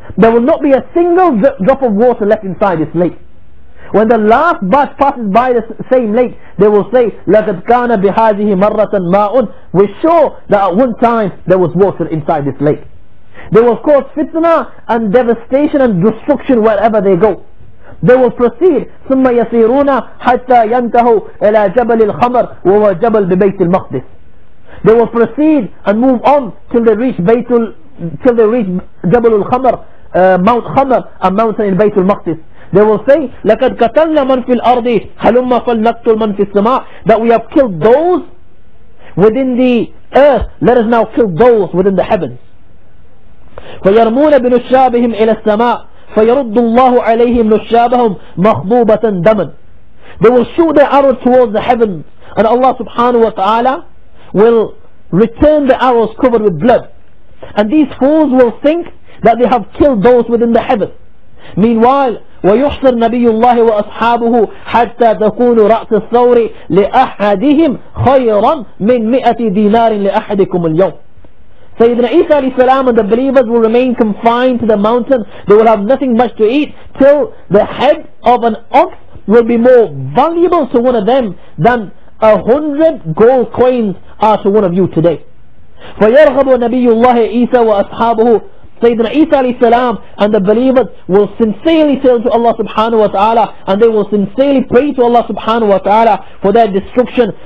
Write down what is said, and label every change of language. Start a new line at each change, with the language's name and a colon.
English: There will not be a single drop of water left inside this lake. When the last batch passes by the same lake, they will say,
Arabic: لَقَدْ كَانَ بِهَذِهِ مَرَّةً مَاءٌ.
English: We're sure that at one time there was water inside this lake. They will cause fitna and devastation and destruction wherever they go. They will proceed,
Arabic: ثم يسيرون حتى ينتهوا إلى جبل الخمر وهو جبل ببيت المقدس.
English: They will proceed and move on till they reach جبل الخمر, Mount Khamar, and mountain in بيت المقدس. They will say,
Arabic: لقد قتلنا من في الأرض هلما فلنقتل من في السماء,
English: that we have killed those within the earth, let us now kill those within the heavens.
Arabic: فيرمون بنشابهم إلى السماء فيرد الله عليهم نشابهم مخضوبة دما.
English: They will shoot the arrows towards the heavens, and Allah subhanahu wa ta'ala will return the arrows covered with blood, and these fools will think that they have killed those within the heavens. Meanwhile,
Arabic: ويحصر نبي الله وأصحابه حتى تكون رأس الثور لأحدهم خيرا من مئة دينار لأحدكم اليوم.
English: Sayyidina Isa alayhi salam and the believers will remain confined to the mountain. They will have nothing much to eat till the head of an ox will be more valuable to one of them than 100 gold coins are to one of you today.
Arabic: فَيَرْغَبُ نَبِيُّ اللَّهِ إِيسَى وَأَصْحَابُهُ
English: Sayyidina Isa alayhi salam and the believers will sincerely turn to Allah subhanahu wa ta'ala and they will sincerely pray to Allah subhanahu wa ta'ala for their destruction.